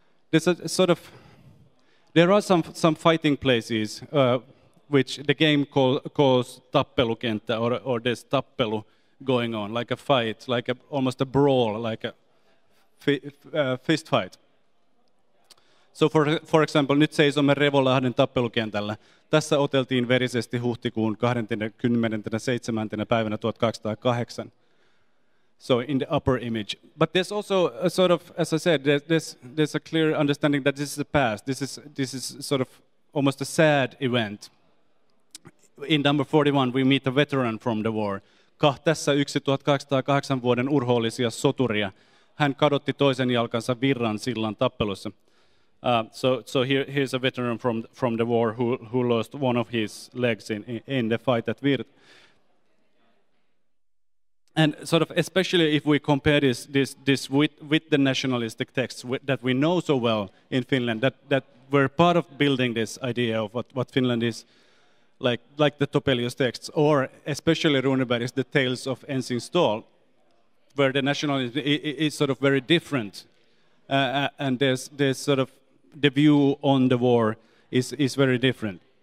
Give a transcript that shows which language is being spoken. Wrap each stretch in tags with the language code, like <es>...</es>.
<en>There's a sort of, there are some fighting places which the game calls tappelukenttä, or there's tappelu going on, like a fight, like almost a brawl, like a fist fight. So for example,</en> <fi>nyt seisomme Revonlahden tappelukentällä. Tässä oteltiin verisesti huhtikuun 27. päivänä 1208.</fi> <en>So in the upper image. But there's also a sort of, as I said, there's a clear understanding that this is the past. This is sort of almost a sad event. In number 41, we meet a veteran from the war.</en> <fi>Tässä yksi 1808 vuoden urhoollisia soturia. hän kadotti toisen jalkansa virran sillan tappelussa.</fi> <en>So here's a veteran from the war who lost one of his legs in the fight at Virt. And sort of especially if we compare this with the nationalistic texts that we know so well in Finland, that were part of building this idea of what Finland is, like the Topelius texts, or especially Runeberg's The Tales of Ensign Stål, where the nationalism is sort of very different, and there's sort of the view on the war is very different.</en>